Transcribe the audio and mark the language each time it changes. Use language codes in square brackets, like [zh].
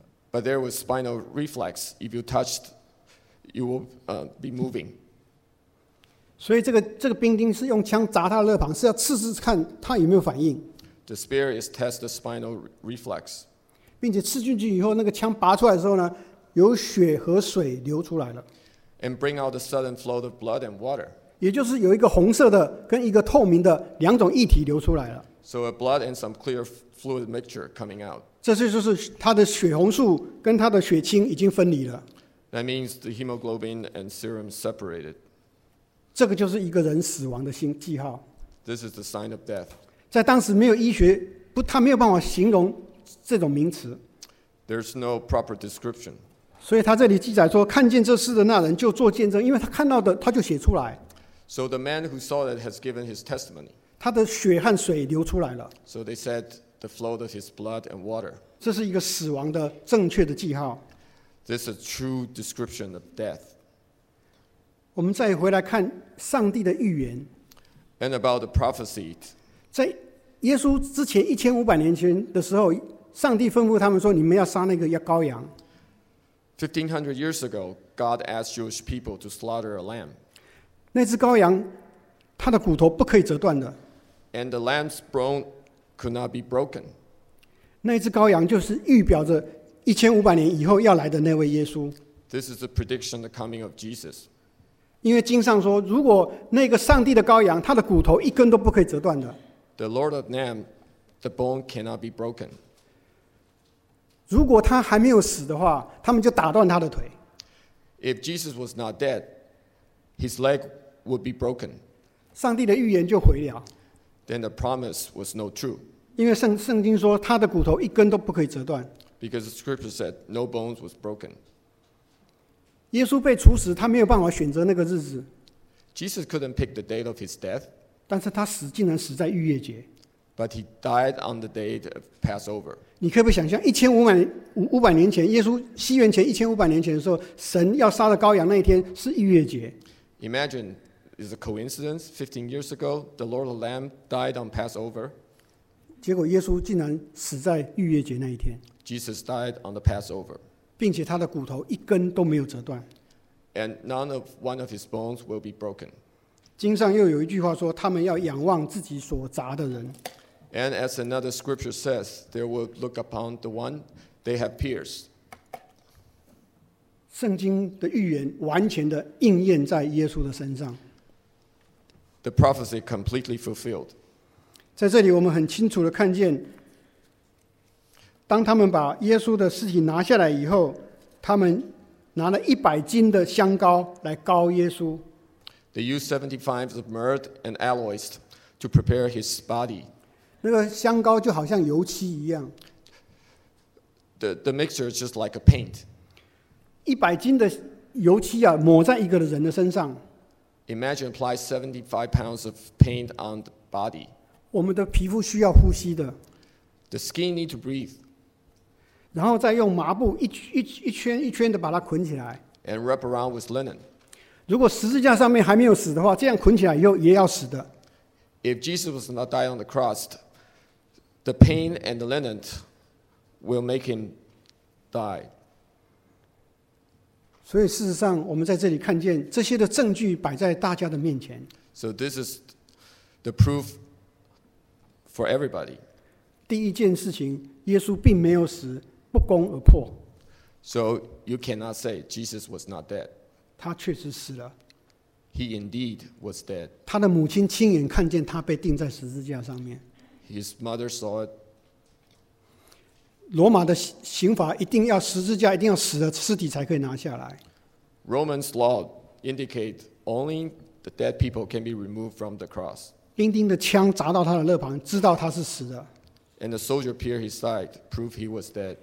[en] But there was spinal reflex. If you touched, you will be moving. [zh] 所以这个兵丁是用枪砸他的肋旁，是要刺刺看他有没有反应。 [en] The spear is test the spinal reflex. [zh] 并且刺进去以后，那个枪拔出来的时候呢，有血和水流出来了。 [en] And bring out the sudden flow of blood and water. [zh] 也就是有一个红色的跟一个透明的两种液体流出来了。 [en] So a blood and some clear fluid mixture coming out. [zh] 这就是它的血红素跟它的血清已经分离了。 [en] That means the hemoglobin and serum separated. [zh] 这个就是一个人死亡的记号。 [en] This is the sign of death. [zh] 在当时没有医学，他没有办法形容。这种名词 [en] There's no proper description. [zh] 所以他这里记载说，看见这事的那人就做见证，因为他看到的他就写出来。 [en] So the man who saw it has given his testimony. [zh] 他的血和水流出来了。 [en] So they said the flow of his blood and water. [zh] 这是一个死亡的正确的记号。 [en] This is a true description of death. [zh] 我们再回来看上帝的预言。 [en] And about the prophecy. [zh] 在耶稣之前1500年前的时候，上帝吩咐他们说，你们要杀那个羔羊。 [en] 1500 years ago, God asked Jewish people to slaughter a lamb. [zh] 那只羔羊，它的骨头不可以折断的。 [en] And the lamb's bone could not be broken. [zh] 那只羔羊就是预表着1500年以后要来的那位耶稣。 [en] This is a prediction of the coming of Jesus. [zh] 因为经上说，如果那个上帝的羔羊，它的骨头一根都不可以折断的。 [en] The Lord of Lamb, the bone cannot be broken. [zh] 如果他还没有死的话，他们就打断他的腿。 [en] If Jesus was not dead, his leg would be broken. [zh] 上帝的预言就毁了。 [en] Then the promise was no true. [zh] 因为圣经说他的骨头一根都不可以折断。 [en] Because the scripture said no bones was broken. [zh] 耶稣被处死，他没有办法选择那个日子。 [en] Jesus couldn't pick the date of his death. [zh] 但是他死竟然死在逾越节。 [en] But he died on the day of Passover. [zh] 你可不可以想象1500年前，耶稣西元前1500年前的时候，神要杀的羔羊那一天是逾越节。 [en] Imagine, is a coincidence. 15 years ago, the Lord of Lamb died on Passover. [zh] 结果耶稣竟然死在逾越节那一天。 [en] Jesus died on the Passover. [zh] 并且他的骨头一根都没有折断。 [en] And none of one of his bones will be broken. [zh] 经上又有一句话说，他们要仰望自己所砸的人。 [en] And as another scripture says, they will look upon the one they have pierced. [zh] 圣经的预言完全的应验在耶稣的身上。 [en] The prophecy completely fulfilled. [zh] 在这里我们很清楚的看见，当他们把耶稣的尸体拿下来以后，他们拿了100斤的香膏来膏耶稣。 [en] They used 75 of myrrh and aloes to prepare his body. [zh] 那个香膏就好像油漆一样。 [en] The mixture is just like a paint. [zh] 100斤的油漆啊，抹在一个人的身上。 [en] Imagine apply 75 pounds of paint on the body. [zh] 我们的皮肤需要呼吸的。 [en] The skin need to breathe. [zh] 然后再用麻布一圈一圈的把它捆起来。 [en] And wrap around with linen. [zh] 如果十字架上面还没有死的话，这样捆起来以后也要死的。 [en] If Jesus was not dying on the cross, the pain and the linen will make him die. [zh] 所以事实上，我们在这里看见这些的证据摆在大家的面前。 [en] So this is the proof for everybody. [zh] 第一件事情，耶稣并没有死，不攻而破。 [en] So you cannot say Jesus was not dead. [zh] 他确实死了。 [en] He indeed was dead. [zh] 他的母亲亲眼看见他被钉在十字架上面。 [en] His mother saw it. [zh] 罗马的刑法一定要十字架，一定要死了，尸体才可以拿下来。 [en] Roman's law indicates only the dead people can be removed from the cross. [zh] 钉钉的枪砸到他的肋旁，知道他是死的。 [en] And the soldier pierced his side, proved he was dead.